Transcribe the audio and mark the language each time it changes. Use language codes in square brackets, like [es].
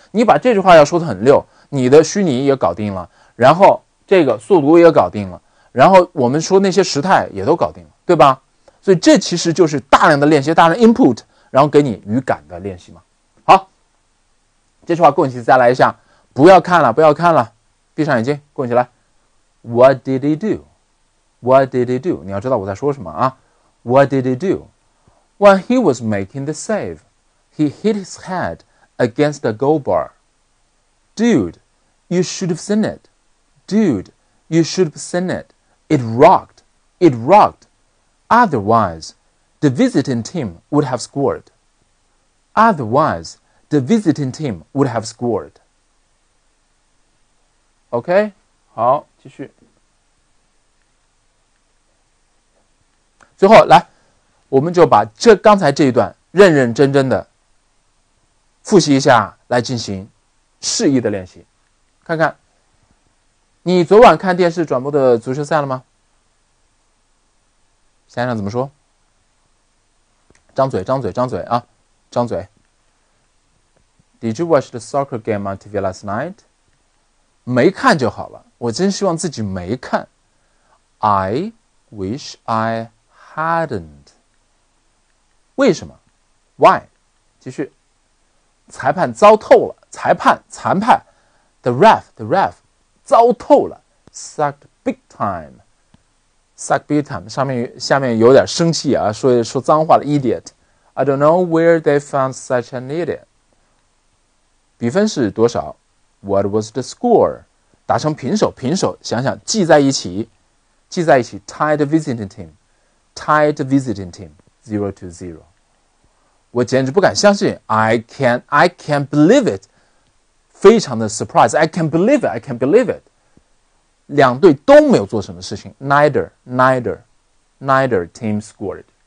[zh] 你把这句话要说得很溜，你的虚拟也搞定了，然后这个速读也搞定了，然后我们说那些时态也都搞定了，对吧？所以这其实就是大量的练习，大量 input, 然后给你语感的练习嘛。好，这句话跟我一起再来一下。不要看了，不要看了，闭上眼睛跟我一起来。 [en] What did he do? What did he do? [zh] 你要知道我在说什么啊。 [en] What did he doWhen he was making the save, he hit his head against the goal bar. Dude, you should have seen it. Dude, you should have seen it. It rocked. It rocked. Otherwise, the visiting team would have scored. Otherwise, the visiting team would have scored. [zh] OK, 好，继续。最后来，我们就把这刚才这一段认认真真的复习一下，来进行示意的练习。看看你昨晚看电视转播的足球赛了吗？想想怎么说。张嘴张嘴张嘴啊，张嘴。 [en] Did you watch the soccer game on TV last night? [zh] 没看就好了，我真希望自己没看。 [en] I wish I hadn't. [zh] 为什么 ? [en] Why? [zh] 继续。裁判糟透了，裁判裁判。 [en] The ref, [zh] 糟透了。 [en] Sucked big time. Suck big time, [zh] 下面有点生气啊，说脏话了 ,idiot. [en] I don't know where they found such an idiot. [zh] 比分是多少 [en] ?What was the score? [zh] 打成平手平手想想记在一起。记在一起 [en] ,tied visiting team, tied visiting team, 0-0. [zh] 我简直不敢相信 , [en] I can't believe it. [zh] 非常的 surprise, [en] I can't believe it. [zh] 两队都没有做什么事情 , [en] neither team scored.